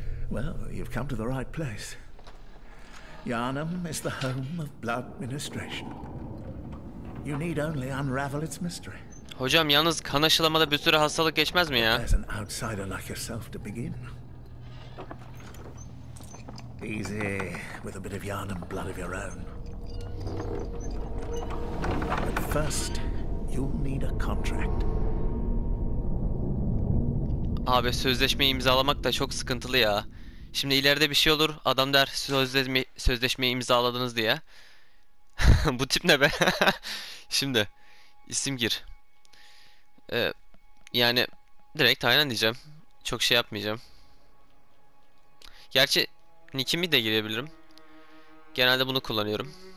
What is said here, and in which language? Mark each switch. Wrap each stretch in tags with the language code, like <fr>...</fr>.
<en>Well, you've come to the right place. Yharnam is the home of blood ministration. You need only unravel its mystery.</en> <tr>Hocam yalnız kan aşılamada bir sürü hastalık geçmez mi ya?</tr> <en>There's an outsider like yourself to begin. Easy with a bit of Yharnam blood of your own. But first, you'll need a contract.</en> <tr>Abi sözleşmeyi imzalamak da çok sıkıntılı ya. Şimdi ileride bir şey olur, adam der sözleşmeyi imzaladınız diye. Bu tip ne be? Şimdi isim gir. Yani direkt aynen diyeceğim. Çok şey yapmayacağım. Gerçi nickimi de girebilirim. Genelde bunu kullanıyorum.</tr>